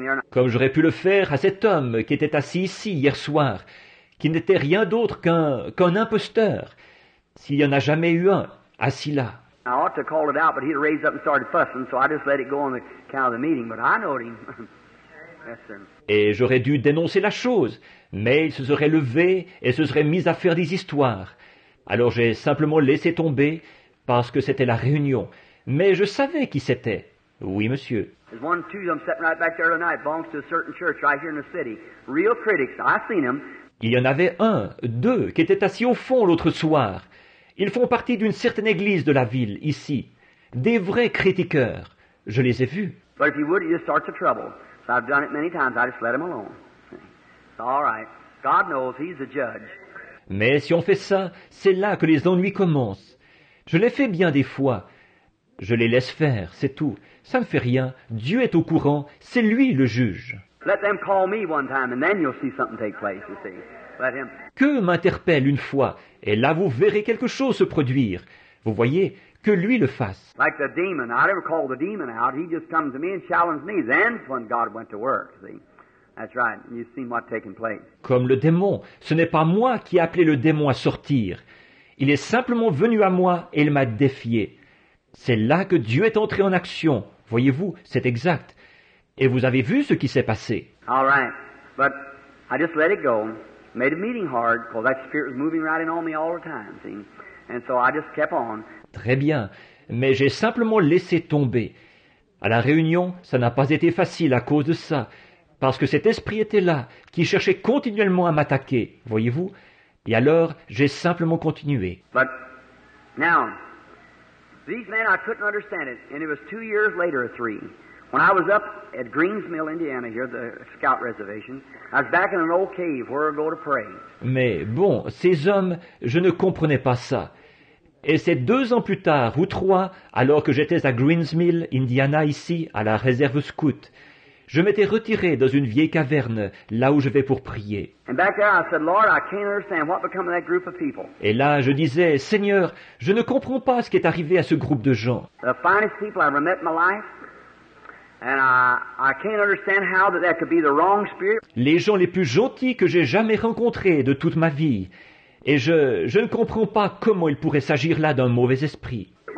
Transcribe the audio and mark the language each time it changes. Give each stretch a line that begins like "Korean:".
French: Comme j'aurais pu le faire à cet homme qui était assis ici hier soir, qui n'était rien d'autre qu'un imposteur, s'il n'y en a jamais eu un assis là.
English: I ought to call it out, but he'd raise up and started fussing, so I just let it go on the count of the meeting, but I know him. Yes, sir.
French: Et j'aurais dû dénoncer la chose, mais il se serait levé et se serait mis à faire des histoires. Alors j'ai simplement laissé tomber parce que c'était la réunion. Mais je savais qui c'était. Oui, monsieur.
English: There's one or two of them sitting right back there tonight, belongs to a certain church right here in the city. Real critics, I've seen them.
French: Il y en avait un, deux, qui étaient assis au fond l'autre soir. Ils font partie d'une certaine église de la ville, ici. Des vrais critiqueurs. Je les ai vus.
English: But if you would, you start the trouble. So I've done it many times. I just let him alone. It's all right. God knows he's the judge.
French: Mais si on fait ça, c'est là que les ennuis commencent. Je l'ai fait bien des fois. Je les laisse faire, c'est tout. Ça ne fait rien. Dieu est au courant. C'est lui le juge.
English: Let them call me one time and then you'll see something take place, you see. Let him.
French: Que m'interpelle une fois, et là vous verrez quelque chose se produire. Vous voyez, que lui le fasse.
English: Like the demon, I never called the demon out. He just comes to me and challenged me. Then's when God went to work. See, that's right. You've seen what's taking place.
French: Comme le démon, ce n'est pas moi qui ai appelé le démon à sortir. Il est simplement venu à moi et il m'a défié. C'est là que Dieu est entré en action. Voyez-vous, c'est exact. Et vous avez vu ce qui s'est passé.
English: All right, but I just let it go. Made a meeting hard, because that spirit was moving right in on me all the time, see. And so I just kept on.
French: Très bien, mais j'ai simplement laissé tomber. À la réunion, ça n'a pas été facile à cause de ça, parce que cet esprit était là, qui cherchait continuellement à m'attaquer, voyez-vous. Et alors, j'ai simplement continué.
English: But now, these men, I couldn't understand it, and it was 2 years later, or three. When I was up at Greens Mill, Indiana, here, the scout reservation, I was back in an old cave where I go to pray.
French: Mais bon, ces hommes, je ne comprenais pas ça. Et c'est 2 ans plus tard, ou 3, alors que j'étais à Greens Mill, Indiana, ici, à la réserve scout, je m'étais retiré dans une vieille caverne, là où je vais pour prier.
English: And back there, I said, Lord, I can't understand what became of that group of people.
French: Et là, je disais, Seigneur, je ne comprends pas ce qui est arrivé à ce groupe de gens.
English: The finest people I've ever met in my life. And I can't understand how that could be the wrong spirit.
French: Les gens les plus gentils que j'ai jamais rencontrés de toute ma vie. Et je ne comprends pas comment il pourrait s'agir là d'un mauvais esprit.